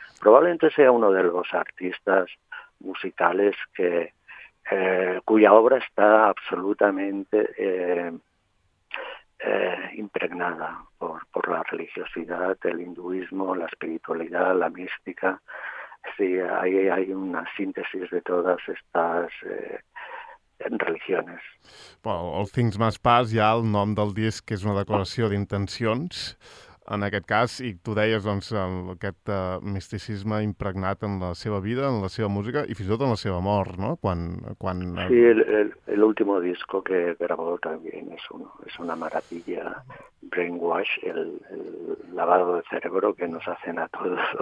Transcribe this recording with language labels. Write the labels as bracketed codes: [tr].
[es] Probablemente sea uno de los artistas musicales que cuya obra está absolutamente impregnada por la religiosidad, el hinduismo, la espiritualidad, la mística. Sí, hay una síntesis de todas estas religiones. [ca] Well, All Things Must Pass, ja el nom del disc és una declaració d'intencions, en aquest cas, i tu deies doncs, aquest misticisme impregnat en la seva vida, en la seva música i fins i tot en la seva mort, no? Quan... [es] Sí, el último disco que grabó también es una maravilla, Brainwash, el lavado de cerebro que nos hacen a todos.